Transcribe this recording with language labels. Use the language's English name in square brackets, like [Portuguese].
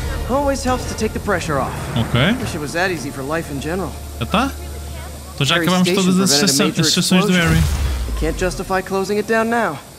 [English] Always helps to take the pressure off. Okay. Wish it was that easy for life in general. [Portuguese] Já tá? Então já acabamos todas as sessões do Harry. [English] I can't justify closing it down now.